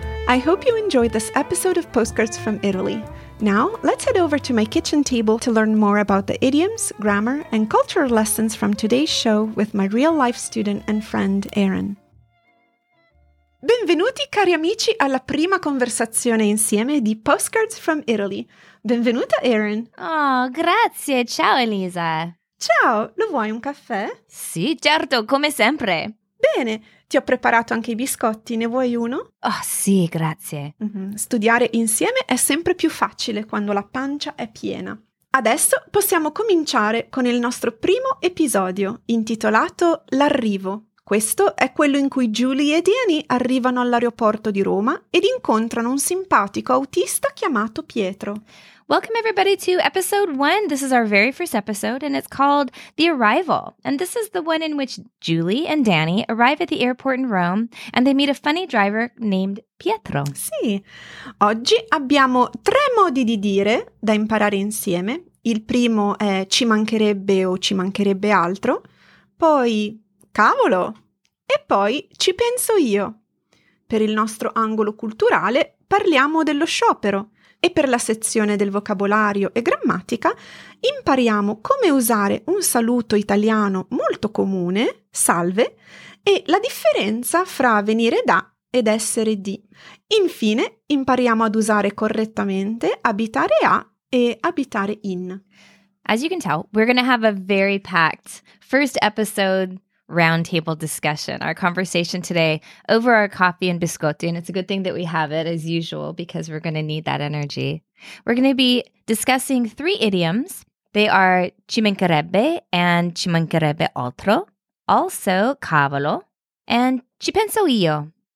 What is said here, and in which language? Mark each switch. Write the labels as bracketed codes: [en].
[en] I hope you enjoyed this episode of Postcards from Italy. Now, let's head over to my kitchen table to learn more about the idioms, grammar, and culture lessons from today's show with my real-life student and friend, Erin. [it] Benvenuti, cari amici, alla prima conversazione insieme di Postcards from Italy. Benvenuta, Erin. Oh, grazie. Ciao, Elisa. Ciao. Lo vuoi un caffè? Sì, certo, come sempre. Bene. Ti ho preparato anche i biscotti, ne vuoi uno? Oh sì, grazie. Studiare insieme è sempre più facile quando la pancia è piena. Adesso possiamo cominciare con il nostro primo episodio, intitolato L'arrivo. Questo è quello in cui Julie e Danny arrivano all'aeroporto di Roma ed incontrano un simpatico autista chiamato Pietro. [en] Welcome everybody to episode one. This is our very first episode and it's called The Arrival. And this is the one in which Julie and Danny arrive at the airport in Rome and they meet a funny driver named Pietro. [it] Sì, oggi abbiamo tre modi di dire da imparare insieme. Il primo è ci mancherebbe o ci mancherebbe altro, poi cavolo e poi ci penso io. Per il nostro angolo culturale parliamo dello sciopero. E per la sezione del vocabolario e grammatica, impariamo come usare un saluto italiano molto comune, salve, e la differenza fra venire da ed essere di. Infine, impariamo ad usare correttamente abitare a e abitare in. [en] As you can tell, we're going to have a very packed first episode roundtable discussion, our conversation today over our coffee and biscotti, and it's a good thing that we have it as usual because we're going to need that energy. We're going to be discussing three idioms. They are ci mancherebbe and ci mancherebbe altro, also cavolo, and ci penso io.